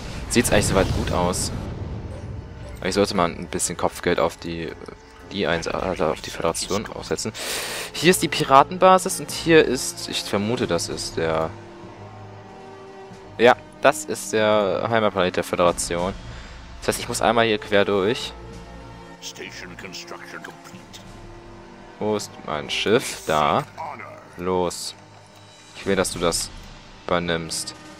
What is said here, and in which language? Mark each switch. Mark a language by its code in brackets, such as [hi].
[de] Sieht's eigentlich soweit gut aus. Aber ich sollte mal ein bisschen Kopfgeld auf die D1, also auf die Föderation aufsetzen. Hier ist die Piratenbasis und hier ist, ich vermute, das ist der... Ja, das ist der Heimatplanet der Föderation. Das heißt, ich muss einmal hier quer durch. [en] Station construction complete. [de] Wo ist mein Schiff? Da. Los. Ich will, dass du das übernimmst.